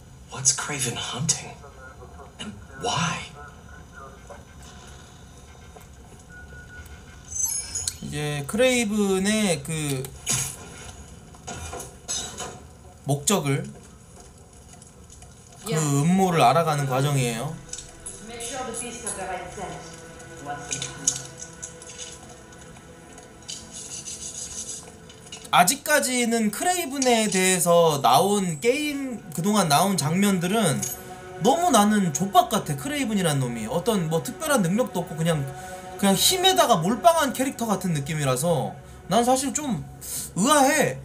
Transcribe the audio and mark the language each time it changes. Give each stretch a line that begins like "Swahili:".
English: What's Craven hunting? And why?
Korean: 이제 크레이븐의 그 목적을 그 음모를 알아가는 과정이에요.
English: Make sure the beast has the right scent.
Korean: 아직까지는 크레이븐에 대해서 나온 게임 그동안 나온 장면들은 너무 나는 족박 같아. 크레이븐이란 놈이 어떤 뭐 특별한 능력도 없고 그냥 힘에다가 몰빵한 캐릭터 같은 느낌이라서 난 사실 좀 의아해.